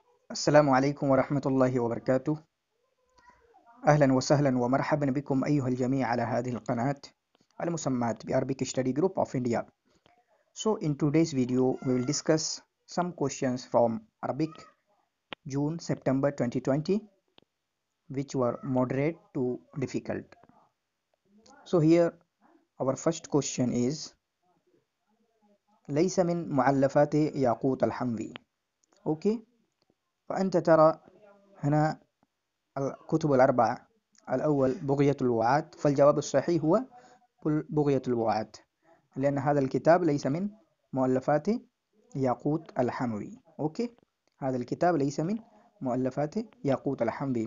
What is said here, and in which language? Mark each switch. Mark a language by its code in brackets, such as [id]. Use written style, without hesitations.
[ar] السلام عليكم ورحمة الله وبركاته. أهلا وسهلا ومرحبا بكم أيها الجميع على هذه القناة المسمات Arabic Study Group of India. [en] So in today's video we will discuss some questions from Arabic June September 2020 which were moderate to difficult. So here our first question is [ar] ليس من معلفات ياقوت الحنفي. [en] Okay. [ar] فأنت ترى هنا الكتب الأربعة الأول بغية الوعاد فالجواب الصحيح هو بغية الوعاد لأن هذا الكتاب ليس من مؤلفات ياقوت الحنفي. أوكي هذا الكتاب ليس من مؤلفات ياقوت الحنفي.